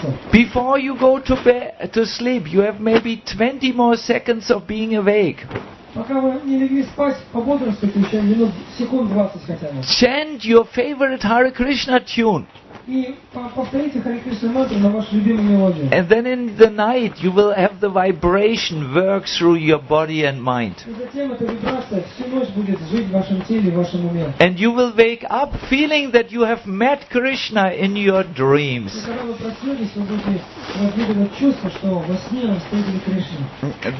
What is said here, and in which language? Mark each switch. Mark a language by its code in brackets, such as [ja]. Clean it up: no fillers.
[en] Before you go to bed, to sleep, you have maybe 20 more seconds of being awake. [ru] Пока вы не легли спать, по бодрости включаем минут, секунд 20 хотя бы. [en] Chant your favorite Hare Krishna tune. [ru] И повторите Hare Krishna mantra на вашу любимую мелодию. [en] And then in the night you will have the vibration work through your body and mind. [ru] И затем эта вибрация всю ночь будет жить в вашем теле, в вашем уме. [en] And you will wake up feeling that you have met Krishna in your dreams. [ru] И когда вы проснетесь, вы будете разбудивать чувство, что во сне вы встретили Кришну.